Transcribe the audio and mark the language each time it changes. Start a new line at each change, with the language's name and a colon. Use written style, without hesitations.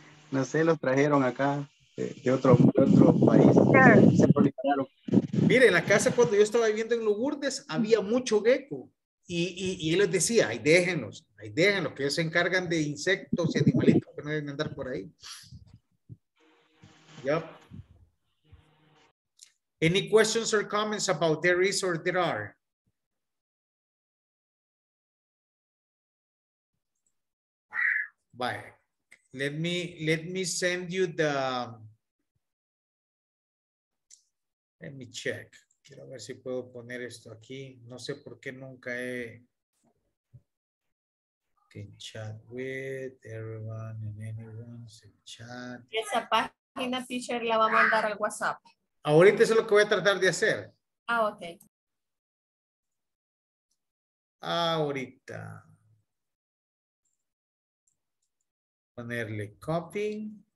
Spanish: No sé, los trajeron acá de otro país.
English: Sure.
Spanish: claro. Mire, en la casa cuando yo estaba viviendo en Lourdes había mucho gecko. Y él les decía, ahí déjenlos, que ellos se encargan de insectos y animalitos que no deben andar por ahí.
English: Yep. Any questions or comments about there is or there are? Bye. Let me send you the. Let me check.
Spanish: Quiero ver si puedo poner esto aquí. No sé por qué nunca he.
English: Can chat with everyone and anyone's in chat.
Spanish: Esa página, teacher, la va a mandar al WhatsApp. Ahorita eso es lo que voy a tratar de hacer. Ah, ok. Ahorita. Ponerle copy.